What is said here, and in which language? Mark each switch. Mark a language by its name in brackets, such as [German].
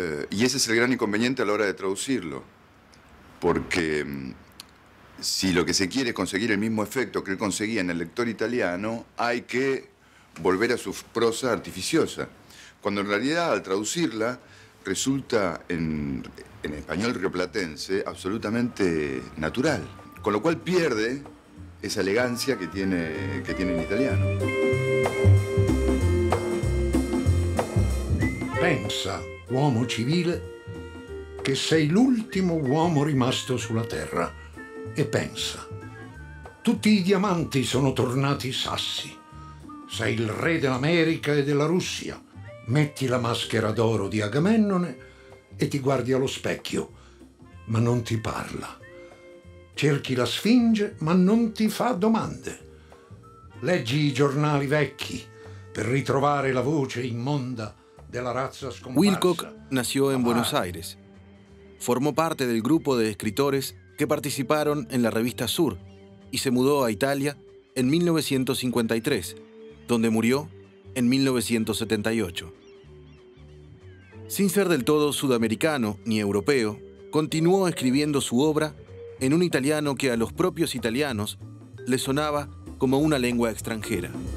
[Spanish] Y ese es el gran inconveniente a la hora de traducirlo, porque si lo que se quiere es conseguir el mismo efecto que él conseguía en el lector italiano, hay que volver a su prosa artificiosa, cuando en realidad, al traducirla, resulta en español rioplatense absolutamente natural. Con lo cual pierde esa elegancia que tiene el italiano. [Italian] Pensa, uomo civile, che sei l'ultimo uomo rimasto sulla terra. E pensa, tutti i diamanti sono tornati sassi. Sei il re dell'America e della Russia. Metti la maschera d'oro di Agamennone e ti guardi allo specchio, ma non ti parla. Cerchi la Sfinge, ma non ti fa domande. Leggi i giornali vecchi per ritrovare la voce immonda della razza scomparsa. [Spanish] Wilcock nació en Buenos Aires. Formó parte del grupo de escritores que participaron en la revista Sur y se mudó a Italia en 1953, donde murió en 1978. Sin ser del todo sudamericano ni europeo, continuó escribiendo su obra en un italiano que a los propios italianos le sonaba como una lengua extranjera.